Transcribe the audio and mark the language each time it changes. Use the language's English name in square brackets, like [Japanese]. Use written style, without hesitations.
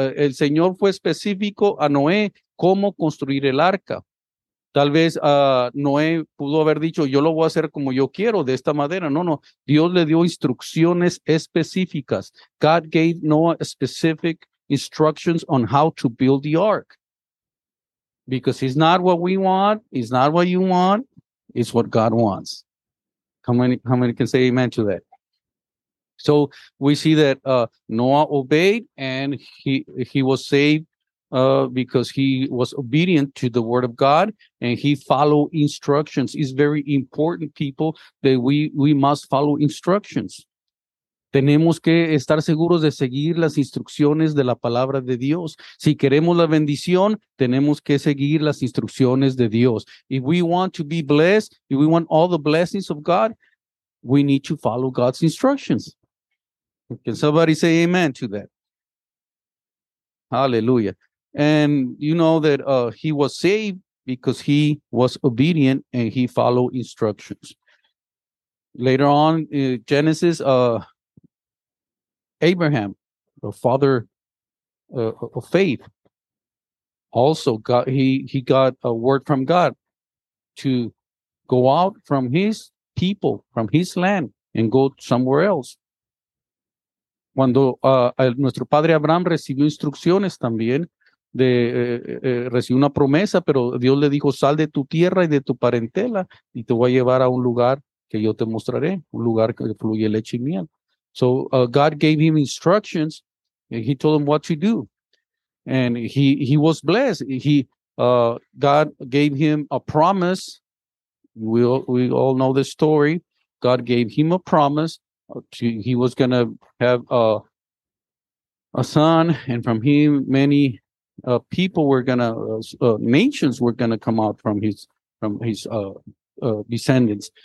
[Spanish] El Señor fue específico a Noé cómo construir el arca. Tal vez Noé pudo haber dicho, yo lo voy a hacer como yo quiero, de esta manera. No. Dios le dio instrucciones específicas. [English] God gave Noah specific instructions on how to build the ark. Because it's not what we want. It's not what you want. It's what God wants. How many can say amen to that? So we see that Noah obeyed and he was saved because he was obedient to the word of God and he followed instructions. It's very important, people, that we must follow instructions. Tenemos que estar seguros de seguir las instrucciones de la palabra de Dios. Si queremos la bendición, tenemos que seguir las instrucciones de Dios. If we want to be blessed, if we want all the blessings of God, we need to follow God's instructions. Can somebody say amen to that? Hallelujah. And you know that he was saved because he was obedient and he followed instructions. Later on, Genesis, Abraham, the father of faith, also got he got a word from God to go out from his people, from his land, and go somewhere else. [Spanish] Cuando nuestro padre Abraham recibió instrucciones también, recibió una promesa, pero Dios le dijo, sal de tu tierra y de tu parentela, y te voy a llevar a un lugar que yo te mostraré, un lugar que fluye leche y miel. [English] So God gave him instructions, and he told him what to do. And he was blessed. God gave him a promise. We all know the story. God gave him a promise. He was going to have a son, and from him, many people were going to, nations were going to come out from his descendants.